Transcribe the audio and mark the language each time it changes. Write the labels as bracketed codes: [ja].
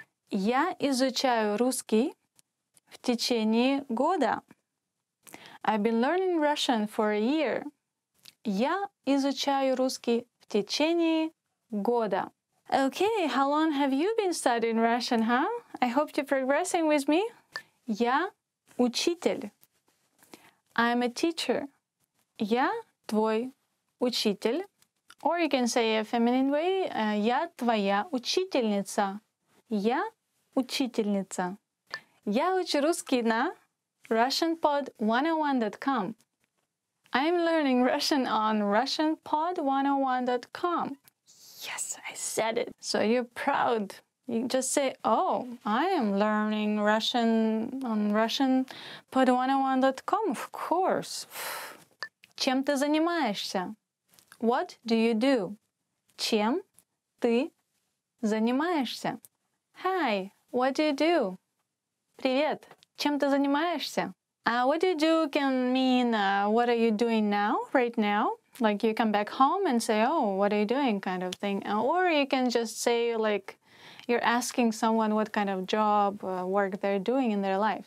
[ru] Я изучаю русский в течение года. [en] I've been learning Russian for a year. [ru] Я изучаю русский в течение года. [en] Okay, how long have you been studying Russian, huh? I hope you're progressing with me. [ru] Я учитель. [en] I'm a teacher. [ru] Я твой учитель. [en] Or you can say a feminine way, [ru] я твоя учительница. Я учительница. Я учу русский на RussianPod101.com. [en] I'm learning Russian on RussianPod101.com. Yes, I said it. So you're proud. You just say, oh, I am learning Russian on RussianPod101.com, of course. [ru] Чем ты занимаешься? [en] What do you do? [ru] Чем ты занимаешься? [en] Hi, what do you do? [ru] Привет, чем ты занимаешься? [en] What do you do can mean what are you doing now, right now? Like you come back home and say, oh, what are you doing kind of thing. Or you can just say like you're asking someone what kind of job or work they're doing in their life.